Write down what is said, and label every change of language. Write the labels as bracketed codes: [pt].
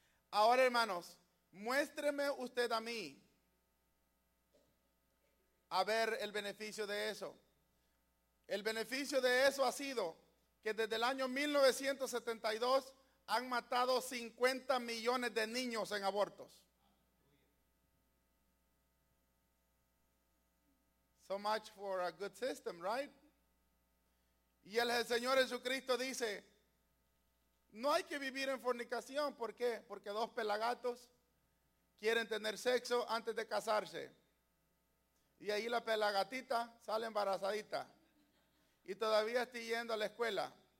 [es] Ahora, hermanos, muéstreme usted a mí, a ver el beneficio de eso. El beneficio de eso ha sido que desde el año 1972 han matado 50 millones de niños en abortos. [en] So much for a good system, right? [es] Y el Señor Jesucristo dice, no hay que vivir en fornicación. ¿Por qué? Porque dos pelagatos quieren tener sexo antes de casarse. Y ahí la pelagatita sale embarazadita. Y todavía está yendo a la escuela.